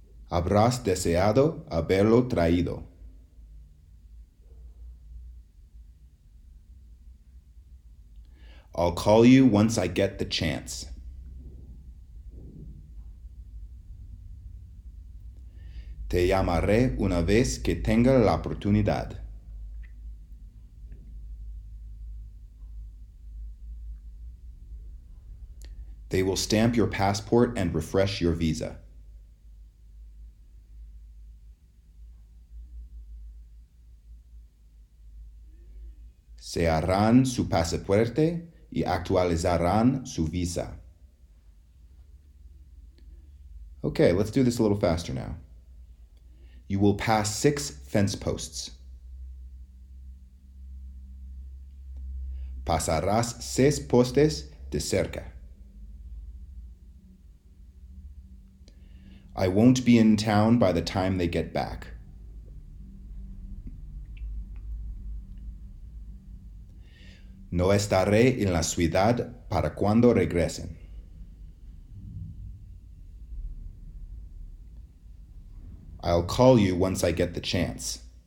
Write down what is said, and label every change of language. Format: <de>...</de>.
<es>Habrás deseado haberlo traído.</es> <en>I'll call you once I get the chance.</en> <es>Te llamaré una vez que tenga la oportunidad.</es> <en>They will stamp your passport and refresh your visa.</en> <es>Sellarán su pasaporte y actualizarán su visa.</es> <en>Okay, let's do this a little faster now. You will pass 6 fence posts.</en> <es>Pasarás 6 postes de cerca.</es> <en>I won't be in town by the time they get back.</en> <es>No estaré en la ciudad para cuando regresen.</es> <en>I'll call you once I get the chance.</en>